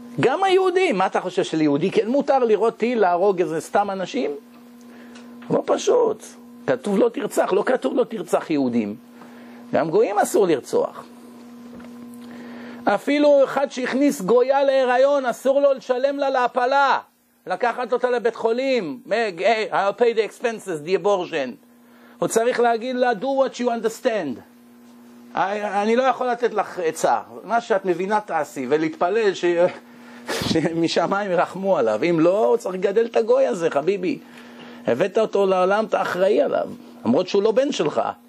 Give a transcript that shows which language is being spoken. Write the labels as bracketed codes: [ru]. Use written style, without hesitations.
[he] גם היהודים, מה אתה חושב של יהודי? כן מותר לראות טיל להרוג איזה סתם אנשים? לא פשוט. כתוב לא תרצח, לא כתוב לא תרצח יהודים. גם גויים אסור לרצוח. אפילו אחד שהכניס גויה להיריון, אסור לו לשלם לה להפלה. לקחת אותה לבית חולים. [en] Hey, I'll pay the expenses, the abortion. [he] הוא צריך להגיד לה, [en] do what you understand. [he] אני לא יכול לתת לך עצה, מה שאת מבינה תעשי, ולהתפלל שמשמיים ירחמו עליו. אם לא, הוא צריך לגדל את הגוי הזה, חביבי. הבאת אותו לעולם, אתה אחראי עליו, למרות שהוא לא בן שלך.